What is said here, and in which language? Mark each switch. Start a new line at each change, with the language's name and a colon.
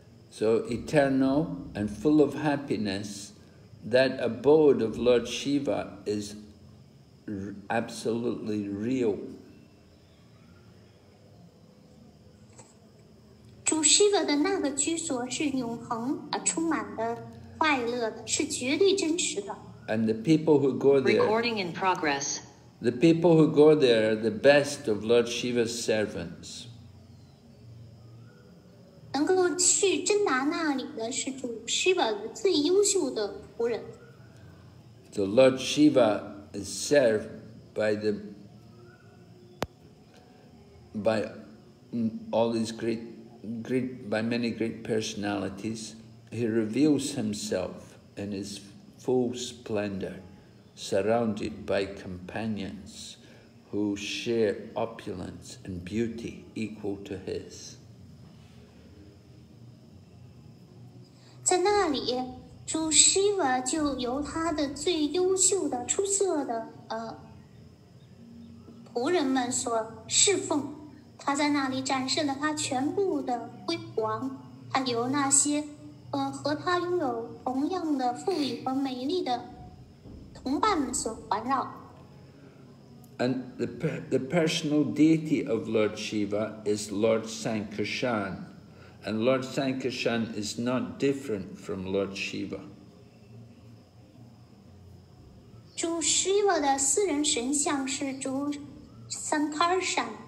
English: So eternal and full of happiness, that abode of Lord Shiva is absolutely real.
Chinese: 主 Shiva 的那个居所是永恒而充满的快乐的，是绝对真实的。
English: And the people who go there, recording in progress. The people who go there are the best of Lord Shiva's servants.
Chinese: 能够去真达那里的是主 Shiva 最优秀的仆人。
English: The Lord Shiva is served by many great personalities. He reveals himself in his full splendor, surrounded by companions who share opulence and beauty equal to his.
Chinese: 在那里，主 Shiva 就由他的最优秀的、出色的仆人们所侍奉。他在那里展示了他全部的辉煌。他由那些和他拥有同样的富裕和美丽的同伴们所环绕。
English: And the personal deity of Lord Shiva is Lord Sankarshan. And Lord Sankarshan is not different from Lord Shiva.
Chinese: 主 Shiva 的私人神像是主 Sankarshan.